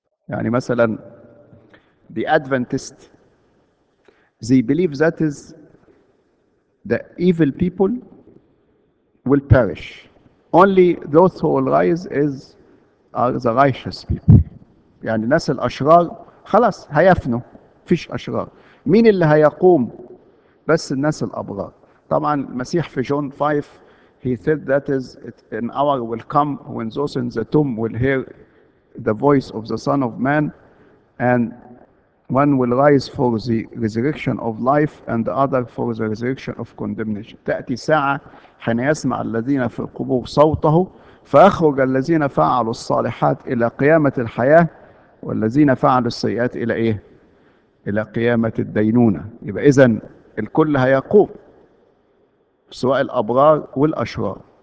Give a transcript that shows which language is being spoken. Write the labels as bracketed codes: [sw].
[ar] يعني مثلا, [en] the Adventists, they believe that is, the evil people will perish. Only those who will rise is are the righteous people. [ar] يعني ناس الأشرار خلاص هيفنوا, فيش أشرار. مين اللي هيقوم؟ بس الناس الأبرار. طبعا المسيح في جون 5, [en] he said that is an hour will come when those in the tomb will hear the voice of the Son of Man, and one will rise for the resurrection of life and the other for the resurrection of condemnation. [ar] تأتي ساعة حين يسمع الذين في القبور صوته فيخرج الذين فعلوا الصالحات إلى قيامة الحياة والذين فعلوا السيئات إلى إيه؟ إلى قيامة الدينونة. يبقى إذن الكل هيقوم, سواء الأبرار والأشرار.